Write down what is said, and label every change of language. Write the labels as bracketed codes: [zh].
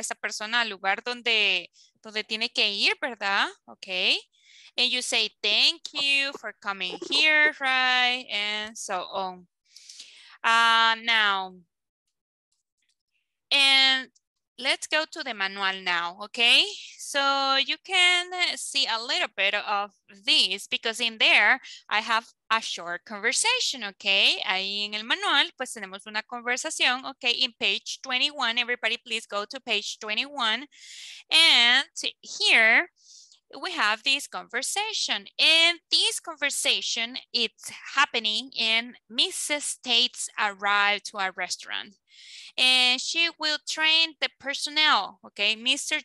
[es] Esa persona al lugar donde tiene que ir, ¿verdad? [en] Okay. And you say thank you for coming here, right? And so on. Now, and let's go to the manual now, okay? So you can see a little bit of this because in there I have a short conversation, okay? [es] Ahí en el manual, pues tenemos una conversación, okay? [en] In page 21, everybody please go to page 21. And here, we have this conversation, and this conversation, it's happening in Mrs. Tate's arrived to a restaurant, and she will train the personnel, okay? Mr.